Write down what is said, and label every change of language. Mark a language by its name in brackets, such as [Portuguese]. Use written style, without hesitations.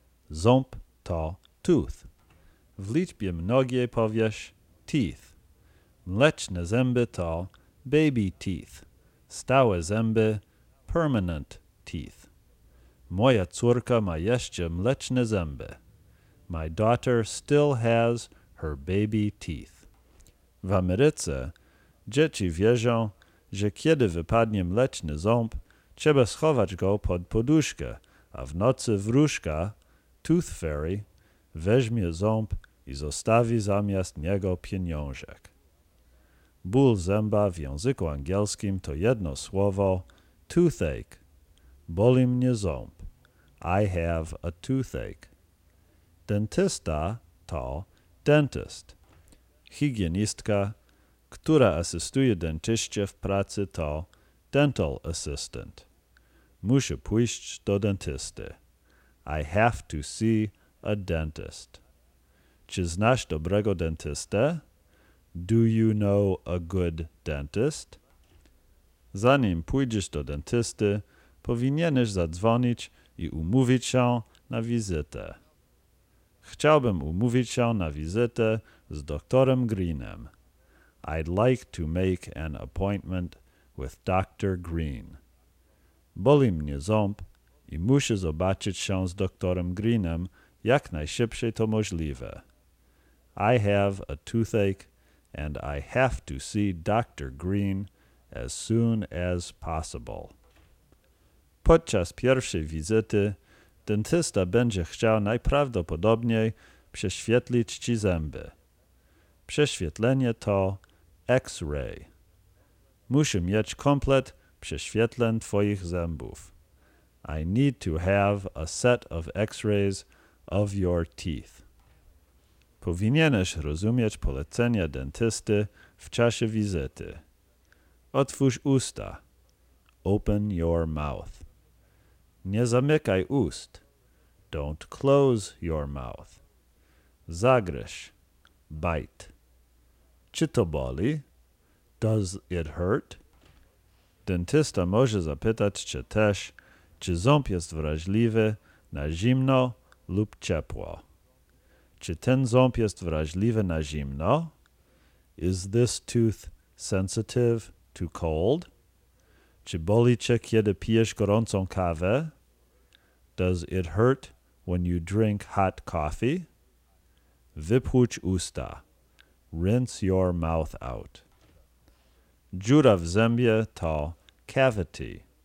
[Polish] Ząb to tooth. W liczbie mnogiej powiesz teeth. Mleczne zęby to baby teeth. Stałe zęby permanent teeth. Moja córka ma jeszcze mleczne zęby. [English] My daughter still has her baby teeth. [Polish] W Ameryce dzieci wierzą, że kiedy wypadnie mleczny ząb, trzeba schować go pod poduszkę, a w nocy wróżka, tooth fairy, weźmie ząb i zostawi zamiast niego pieniążek. Ból zęba w języku angielskim to jedno słowo, toothache. Boli mnie ząb. [English] I have a toothache. [Polish] Dentysta to dentist. Higienistka, która asystuje dentyście w pracy, to dental assistant. Muszę pójść do dentysty. [English] I have to see a dentist. [Polish] Czy znasz dobrego dentystę? [English] Do you know a good dentist? [Polish] Zanim pójdziesz do dentysty, powinieneś zadzwonić i umówić się na wizytę. Chciałbym umówić się na wizytę z doktorem Greenem. [English] I'd like to make an appointment with Dr. Green. [Polish] Boli mnie ząb i muszę zobaczyć się z doktorem Greenem jak najszybciej to możliwe. [English] I have a toothache and I have to see Dr. Green as soon as possible. [Polish] Podczas pierwszej wizyty dentysta będzie chciał najprawdopodobniej prześwietlić ci zęby. Prześwietlenie to X-ray. Muszę mieć komplet prześwietleń twoich zębów. [English] I need to have a set of X-rays of your teeth. [Polish] Powinieneś rozumieć polecenia dentysty w czasie wizyty. Otwórz usta. [English] Open your mouth. [Polish] Nie zamykaj ust. [English] Don't close your mouth. [Polish] Zagryź. [English] Bite. [Polish] Czy to boli? [English] Does it hurt? [Polish] Dentysta może zapytać cię też, czy ząb jest wrażliwy na zimno lub ciepło. Czy ten ząb jest wrażliwy na zimno? [English] Is this tooth sensitive to cold? [Polish] Czy boli cię, kiedy pijesz gorącą kawę? [English] Does it hurt when you drink hot coffee? [Polish] Wypłuć usta. [English] Rinse your mouth out. [Polish] Dziura w zębie to cavity.